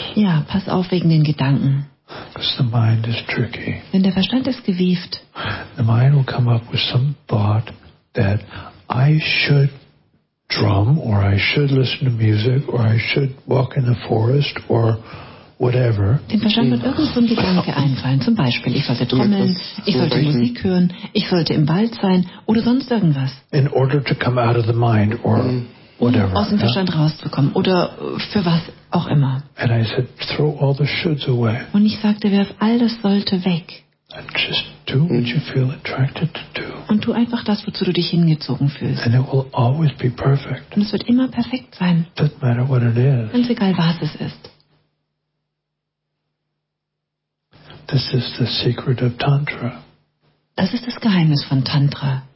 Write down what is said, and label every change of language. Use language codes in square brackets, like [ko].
[de] Ja, pass auf wegen den Gedanken. [en] Because the mind is tricky. [de] Denn der Verstand ist gewieft. [en] The mind will come up with some thought that I should drum, or I should listen to music, or I should walk in the forest, or whatever. [de] Dem Verstand wird irgend so ein Gedanke einfallen. Zum Beispiel, ich sollte trommeln, ich sollte Musik hören, ich sollte im Wald sein oder sonst irgendwas. [en] In order to come out of the mind or whatever. [de] Aus dem Verstand rauszukommen oder für was auch immer. [en] And I said, throw all the shoulds away. [de] Und ich sagte, werf all das Sollte weg. [en] And just do what you feel attracted to do. [de] Und tu einfach das, wozu du dich hingezogen fühlst. [en] And it will always be perfect. [de] Und es wird immer perfekt sein. [en] Doesn't matter what it is. [de] Ganz egal, was es ist. [en] This is the secret of Tantra. [de] Das ist das Geheimnis von Tantra.